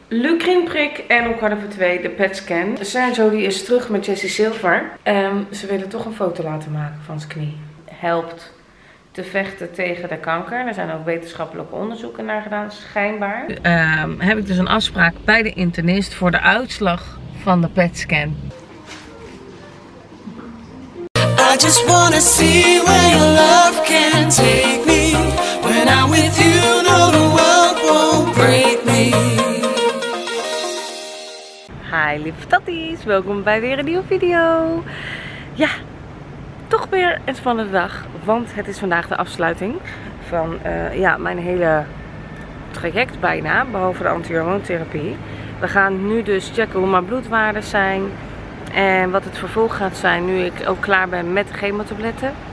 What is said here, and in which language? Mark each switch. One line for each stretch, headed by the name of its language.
Dutch: Lucrinprik en om 2:15 de PET-scan. Sergio die is terug met Jesse Silver. Ze willen toch een foto laten maken van zijn knie. Helpt te vechten tegen de kanker. Er zijn ook wetenschappelijke onderzoeken naar gedaan, schijnbaar. Heb ik dus een afspraak bij de internist voor de uitslag van de PET-scan.
English: I just wanna see where your love can take me. When I'm with you, no, the world won't break me.
Dutch: Hi lieve tatties, welkom bij weer een nieuwe video. Ja, toch weer het van de dag, want het is vandaag de afsluiting van mijn hele traject bijna, behalve de antihormoontherapie. We gaan nu dus checken hoe mijn bloedwaarden zijn en wat het vervolg gaat zijn nu ik ook klaar ben met de chemotabletten.